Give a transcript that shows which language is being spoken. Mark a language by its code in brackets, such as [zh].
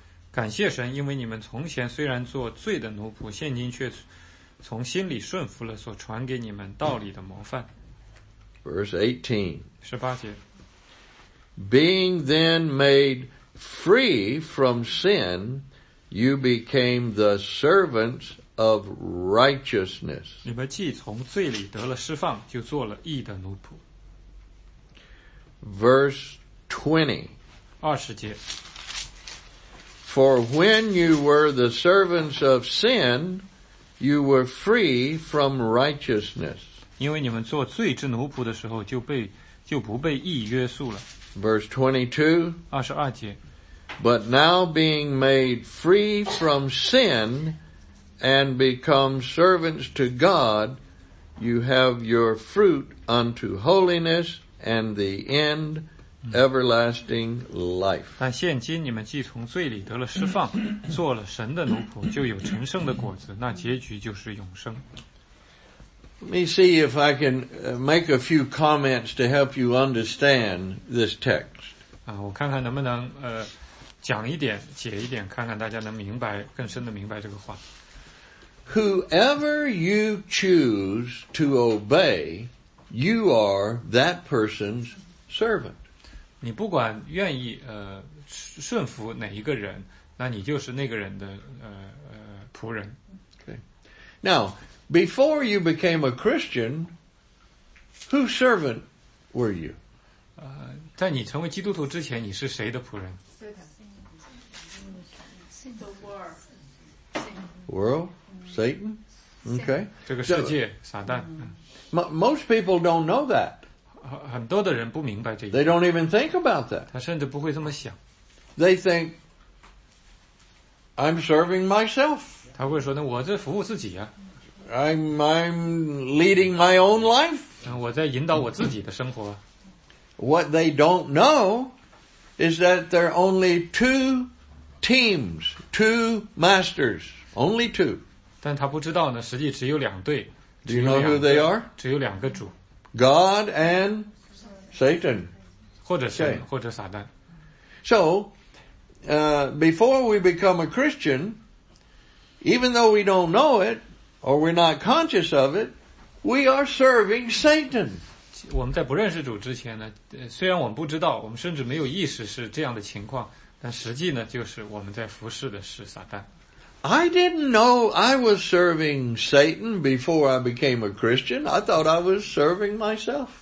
[zh] 感谢神，因为你们从前虽然做罪的奴仆，现今却从心里顺服了所传给你们道理的模范。 [en] Verse 18. [zh] 十八节。 [en] Being then made free from sin, you became the servants of righteousness. [zh] 你们既从罪里得了释放，就做了义的奴仆。 [en] Verse 20. [zh] 20节. [en] For when you were the servants of sin, you were free from righteousness. [zh] 因为你们做罪之奴仆的时候，就不被义约束了。 [en] Verse 22. But now being made free from sin and become servants to God, you have your fruit unto holiness and the end everlasting life. [zh] 但现今你们既从罪里得了释放，做了神的奴仆，就有成圣的果子，那结局就是永生。 [en] Let me see if I can make a few comments to help you understand this text. [zh] 我看看能不能讲一点解一点，看看大家能明白更深的明白这个话。 [en] Whoever you choose to obey, you are that person's servant. [zh] 你不管愿意顺服哪一个人，那你就是那个人的仆人。 [en] Okay. Now,Before you became a Christian, whose servant were you? [zh] 在你成为基督徒之前，你是谁的仆人？ [en] The world. Satan. Okay. [zh] 这个世界，撒旦。 [en] Most people don't know that. [zh] 很多的人不明白这一点。 [en] They don't even think about that. [zh] 他甚至不会这么想。 [en] They think, I'm serving myself. [zh] 他会说，那我在服务自己啊。 [en] I'm leading my own life. [zh] 我在引导我自己的生活。 [en] What they don't know is that there are only two teams, two masters, only two. [zh] 但他不知道呢，实际只有两队。 [en] Do you know who they are? [zh] 只有两个主。 [en] God and Satan. [zh] 或者神，或者撒旦。 [en] So, before we become a Christian, even though we don't know it,Or we're not conscious of it, we are serving Satan. [zh] 我们在不认识主之前呢，虽然我们不知道，我们甚至没有意识是这样的情况，但实际呢，就是我们在服侍的是撒旦。 [en] I didn't know I was serving Satan before I became a Christian. I thought I was serving myself.